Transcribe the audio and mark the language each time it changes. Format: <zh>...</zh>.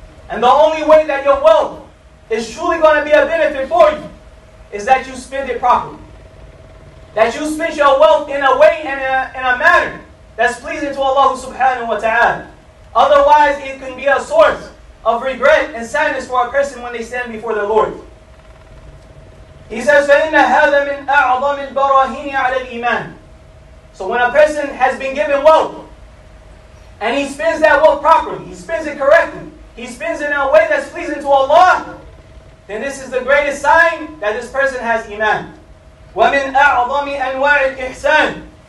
<en>And the only way that your wealth is truly going to be a benefit for you is that you spend it properly. That you spend your wealth in a way and in a manner that's pleasing to Allah subhanahu wa ta'ala. Otherwise, it can be a source of regret and sadness for a person when they stand before their Lord. He says,</en> <ar>فَإِنَّ هَذَا مِنْ أَعْضَمِ الْبَرَاهِينِ عَلَى الْإِيمَانِ.</ar> <en>So when a person has been given wealth, and he spends that wealth properly, he spends it correctly, he spends it in a way that's pleasing to Allah, then this is the greatest sign that this person has iman.</en> <ar>وَمِنْ أَعْظَمِ أَنْوَاعِ الْإِحْسَانِ.</ar>